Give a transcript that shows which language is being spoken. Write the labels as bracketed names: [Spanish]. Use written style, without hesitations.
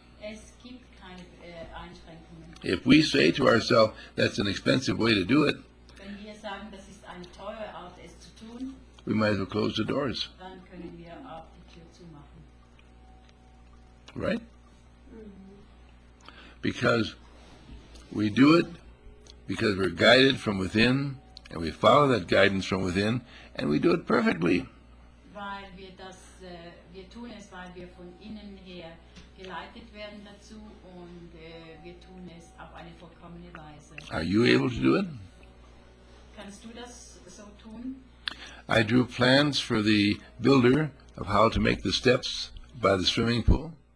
[German] Es gibt keine, Einschränkungen. [English] If we say to ourselves, that's an expensive way to do it, [German] wenn wir sagen, das ist eine teure Art, es zu tun, [English] we might as well close the doors. [German] Dann können wir auch die Tür zumachen. [English] Right? Mm-hmm. Because we do it because we're guided from within, and we follow that guidance from within, and we do it perfectly. [German] Weil wir das, wir tun es, weil wir von innen her geleitet werden dazu, und wir tun es auf eine vollkommene Weise. [English] Are you able to do it? [German] Kannst du das so tun? [English] I drew plans for the builder of how to make the steps by the swimming pool.